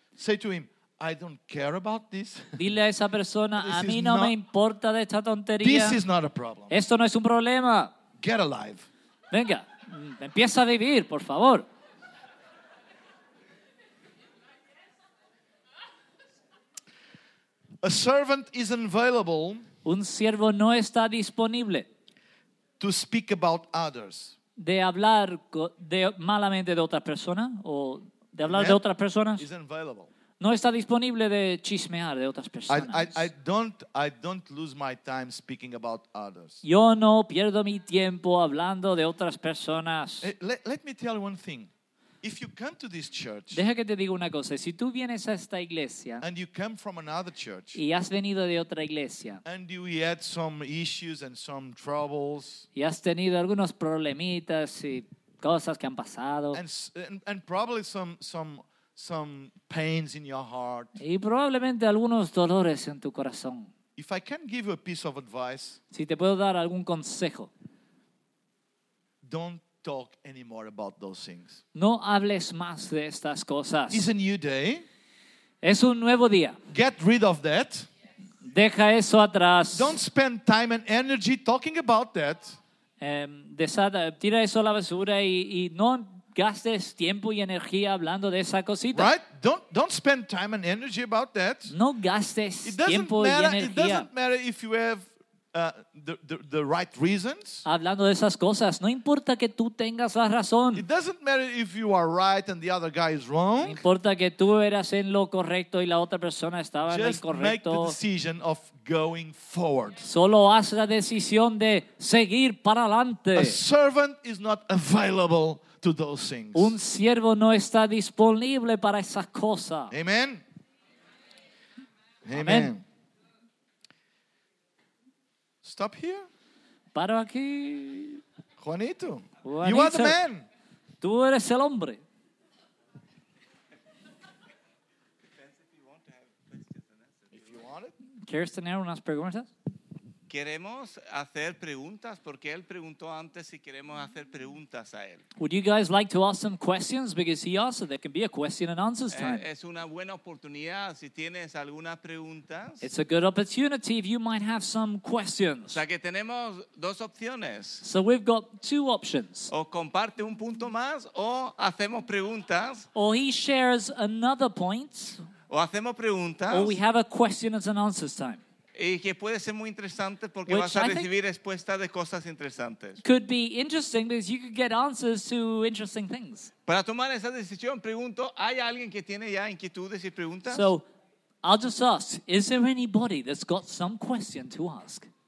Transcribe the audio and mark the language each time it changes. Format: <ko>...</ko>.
<en>Say to him, I don't care about this.</en> <es>Dile a esa persona, a mí no me importa de esta tontería.</es> <en>This is not a problem.</en> <es>Esto no es un problema.</es> <en>Get alive.</en> <es>Venga, empieza a vivir, por favor.</es> <en>A servant is unavailable.</en> <es>Un siervo no está disponible.</es> <en>To speak about others.</en> <es>De hablar malamente de otras personas o de hablar de otras personas.</es> <en>Is unavailable.</en> <es>No está disponible de chismear de otras personas.</es> <en>I don't lose my time speaking about others.</en> <es>Yo no pierdo mi tiempo hablando de otras personas.</es> <en>Let me tell you one thing. If you come to this church,</en> <es>deja que te diga una cosa. Si tú vienes a esta iglesia,</es> <en>and you come from another church,</en> <es>y has venido de otra iglesia,</es> <en>and you had some issues and some troubles,</en> <es>y has tenido algunos problemitas y cosas que han pasado,</es> <en>and probably some pains in your heart,</en> <es>y probablemente algunos dolores en tu corazón.</es> <en>If I can give you a piece of advice,</en> <es>si te puedo dar algún consejo,</es> <en>don't talk anymore about those things.</en> <es>No hables más de estas cosas.</es> <en>It's a new day.</en> <es>Es un nuevo día.</es> <en>Get rid of that.</en> <es>Deja eso atrás.</es> <en>Don't spend time and energy talking about that.</en> <es>Tira eso a la basura y no gastes tiempo y energía hablando de esa cosita.</es> <en>Right? Don't spend time and energy about that.</en> <es>No gastes tiempo y energía.</es> <en>It doesn't matter if you have the right reasons.</en> <es>Hablando de esas cosas, no importa que tú tengas la razón.</es> <en>It doesn't matter if you are right and the other guy is wrong.</en> <es>No importa que tú eras en lo correcto y la otra persona estaba</es> <en>just</en> <es>en lo incorrecto.</es> <en>Make the decision of going forward.</en> <es>Solo haz la decisión de seguir para adelante.</es> <en>A servant is not available to those things.</en> <es>Un siervo no está disponible para esas cosas.</es> <en>Amen. Amen. Amen. Stop here.</en> <es>Paro aquí.</es> <en>Juanito. You are the man.</en> <es>Tú eres el hombre.</es> <en>If you want it.</en> <es>¿Quieres tener unas preguntas? Queremos hacer preguntas porque él preguntó antes si queremos hacer preguntas a él.</es> <en>Would you guys like to ask some questions? Because he asked, there can be a question and answers time.</en> <es>Es una buena oportunidad si tienes algunas preguntas.</es> <en>It's a good opportunity if you might have some questions.</en> <es>O sea que tenemos dos opciones.</es> <en>So we've got two options.</en> <es>O comparte un punto más o hacemos preguntas.</es> <en>Or he shares another point.</en> <es>O hacemos preguntas.</es> <en>Or we have a question and answers time.</en> <es>Y que puede ser muy interesante porque</es> <en>which</en> <es>vas a recibir respuestas de cosas interesantes.</es> <en>Could be interesting because you could get answers to interesting things.</en> <es>Para tomar esa decisión, pregunto, ¿hay alguien que tiene ya inquietudes y preguntas?</es> <en>So, I'll just ask, is there anybody that's got some question to ask?</en>